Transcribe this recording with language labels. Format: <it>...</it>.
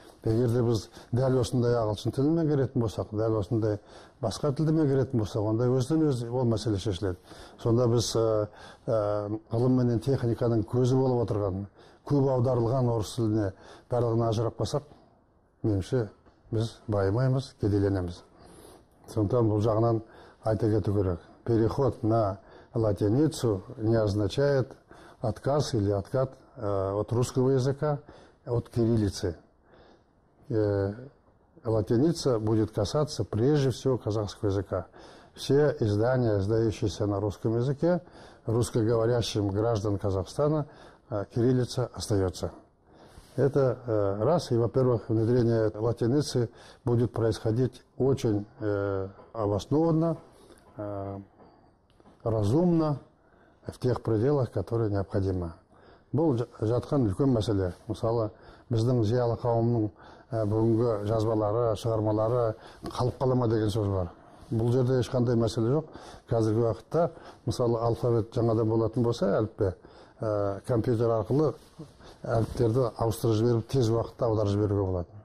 <kk>Егер де біз дәл осындай ағылшын тілін меңгеретін болсақ, дәл осындай басқа тілді меңгеретін болсақ, онда өзінен өзі ол мәселе шешіледі. Сонда біз ғылым мен техниканың көзі болып отырған, көп аударылған орыс тіліне барлығын ажырап басақ, меніңше біз байымаймыз, кедейленеміз. Сондықтан бұл жағынан айта кету керек.</kk> <ru>Переход на латиницу не означает отказ или откат от русского языка, от кириллицы. Латиница будет касаться прежде всего казахского языка. Все издания, издающиеся на русском языке, русскоговорящим граждан Казахстана, кириллица остается. Это раз, и, во-первых, внедрение латиницы будет происходить очень обоснованно, разумно, в тех пределах, которые необходимы.</ru> <kk>Бұл жатқан үлкен мәселе. Мысалы, біздің зиялы қауымның бүгінгі жазбалары, шығармалары қалып қалама деген сөз бар. Бұл жерде ешқандай мәселе жоқ. Қазіргі уақытта, мысалы, алфавит жаңадан болатын болса, әліппе, компьютер арқылы әліптерді ауыстырып жіберіп, тез уақытта аударып жіберуге болады.</kk>